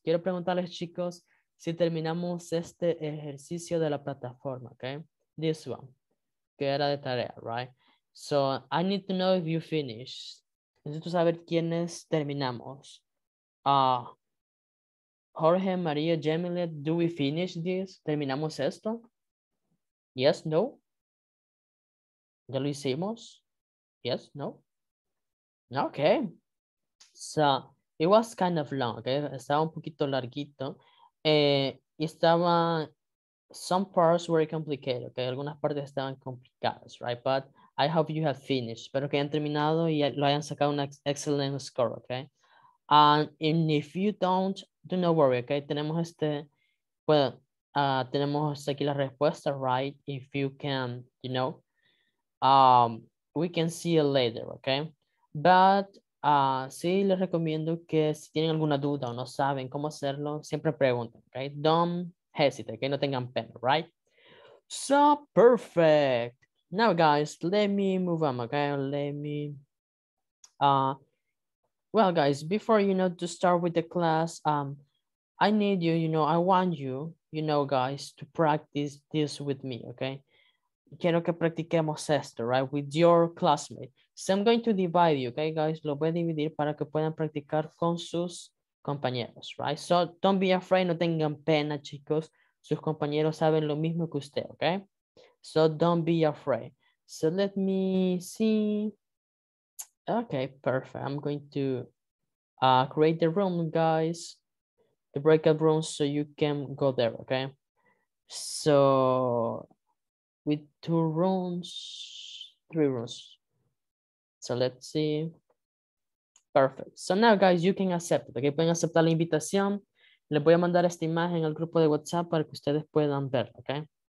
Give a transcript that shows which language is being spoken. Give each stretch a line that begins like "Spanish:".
Spanish: Quiero preguntarles, chicos, si terminamos este ejercicio de la plataforma, okay?
English: This one,
Spanish: que era de tarea,
English: right? So, I need to know if you finish.
Spanish: Necesito saber quiénes terminamos.
English: Jorge, María, Jamila, do we finish this?
Spanish: ¿Terminamos esto?
English: Yes, no.
Spanish: ¿Ya lo hicimos?
English: Yes, no. Okay. So, it was kind of long, okay?
Spanish: Estaba un poquito larguito. Estaba,
English: some parts were complicated, okay?
Spanish: Algunas partes estaban complicadas,
English: right? But I hope you have finished.
Spanish: Espero que hayan terminado y lo hayan sacado un
English: excellent score,
Spanish: okay?
English: And if you don't, do not worry, okay?
Spanish: Tenemos este, well, tenemos aquí la respuesta,
English: right? If you can, you know, we can see it later, okay?
Spanish: But sí les recomiendo que si tienen alguna duda o no saben cómo hacerlo, siempre pregunten, okay?
English: Don't hesitate, okay?
Spanish: No tengan pena,
English: right? So, perfect. Now, guys, let me move on, okay? Let me, well, guys, before, you know, to start with the class, I need you, you know, I want you, you know, guys, to practice this with me, okay?
Spanish: Quiero que practiquemos esto,
English: right? With your classmate. So I'm going to divide you, okay, guys?
Spanish: Lo voy a dividir para que puedan practicar con sus compañeros,
English: right? So don't be afraid,
Spanish: no tengan pena, chicos. Sus compañeros saben lo mismo que usted, okay?
English: So don't be afraid. So let me see. Okay, perfect. I'm going to create the room, guys. The breakout room so you can go there, okay? So with two rooms, three rooms. So let's see. Perfect. So now, guys, you can accept it, okay?
Spanish: Pueden aceptar la invitación. Les voy a mandar esta imagen al grupo de WhatsApp para que ustedes puedan ver, okay?